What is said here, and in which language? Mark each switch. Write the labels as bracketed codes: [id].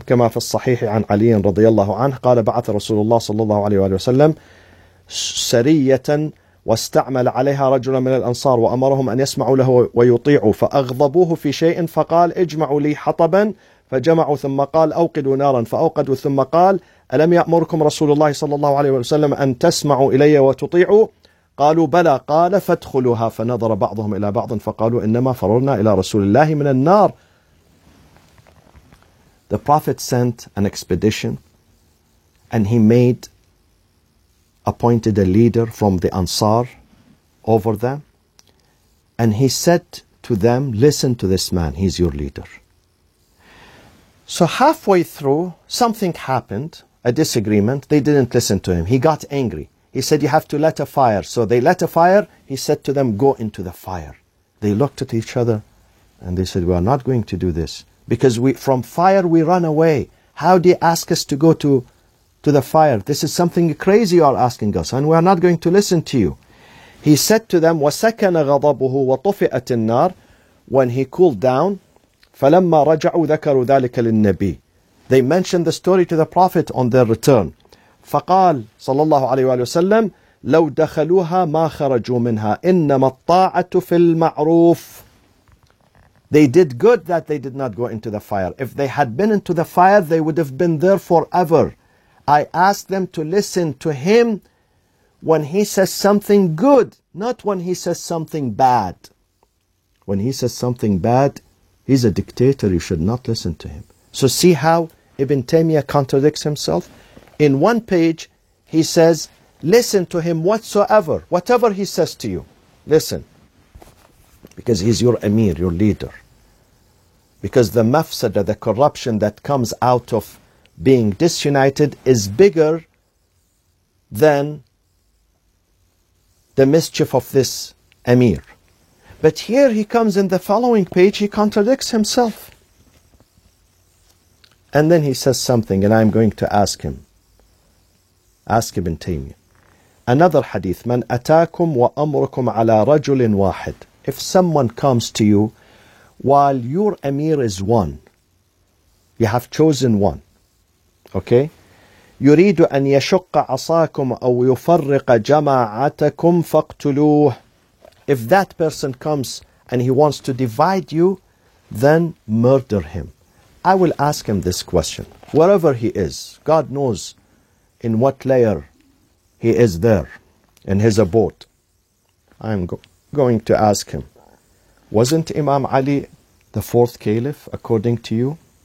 [ar] كما في الصحيح عن علي رضي الله عنه قال بعث رسول الله صلى الله عليه وسلم سرية واستعمل عليها رجلا من الأنصار وأمرهم أن يسمعوا له ويطيعوا فأغضبوه في شيء فقال اجمعوا لي حطبا فجمعوا ثم قال أوقدوا نارا فأوقدوا ثم قال ألم يأمركم رسول الله صلى الله عليه وسلم أن تسمعوا إلي وتطيعوا؟ قالوا بلى. قال فادخلوها. فنظر بعضهم إلى بعض فقالوا إنما فررنا إلى رسول الله من النار. [en] The Prophet sent an expedition and he appointed a leader from the Ansar over them and he said to them, listen to this man, he's your leader. So halfway through, something happened. A disagreement, they didn't listen to him. He got angry. He said, you have to let a fire. So they let a fire. He said to them, go into the fire. They looked at each other and they said, we are not going to do this. Because from fire we run away. How do you ask us to go to the fire? This is something crazy you are asking us. And we are not going to listen to you. He said to them, [ar] وَسَكَنَ غَضَبُهُ وَطُفِئَتِ النَّارِ. [en] When he cooled down, [ar] فَلَمَّا رَجَعُوا ذَكَرُوا ذَلِكَ لِلنَّبِيِّ. [en] They mentioned the story to the Prophet on their return. [ar] فقال صلى الله عليه وسلم لو دخلوها ما خرجوا منها إنما الطاعة في المعروف. [en] They did good that they did not go into the fire. If they had been into the fire, they would have been there forever. I asked them to listen to him when he says something good, not when he says something bad. When he says something bad, he's a dictator. You should not listen to him. So see how Ibn Taymiyyah contradicts himself. In one page, he says, listen to him whatsoever, whatever he says to you, listen. Because he's your emir, your leader. Because the mafsada, the corruption that comes out of being disunited is bigger than the mischief of this emir. But here he comes in the following page, he contradicts himself. And then he says something, and I'm going to ask him. Ask Ibn Taymiyyah. Another hadith, [ar] من أتاكم وأمركم على رجل واحد. [en] If someone comes to you, while your emir is one, you have chosen one. Okay? [ar] يريد أن يشق عصاكم أو يفرق جماعتكم فاقتلوه. [en] If that person comes and he wants to divide you, then murder him. I will ask him this question. Wherever he is, God knows in what layer he is there, in his abode. I am going to ask him, wasn't Imam Ali the fourth caliph according to you?